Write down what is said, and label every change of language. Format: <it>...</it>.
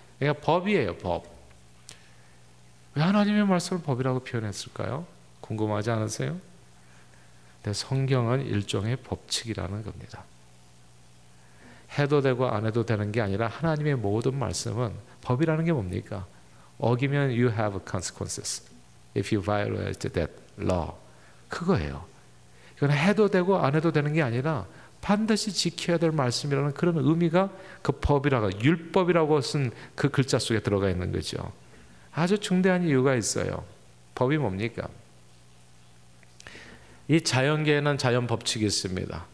<ko>그러니까 법이에요, 법. 왜 하나님의 말씀을 법이라고 표현했을까요? 궁금하지 않으세요? 근데 성경은 일종의 법칙이라는 겁니다. 해도 되고 안 해도 되는 게 아니라 하나님의 모든 말씀은 법이라는 게 뭡니까? 어기면</ko> <en>you have consequences if you violate that law.</en> <ko>그거예요. 이건 해도 되고 안 해도 되는 게 아니라 반드시 지켜야 될 말씀이라는 그런 의미가 그 법이라고, 율법이라고 쓴 그 글자 속에 들어가 있는 거죠. 아주 중대한 이유가 있어요. 법이 뭡니까? 이 자연계에는 자연 법칙이 있습니다.</ko>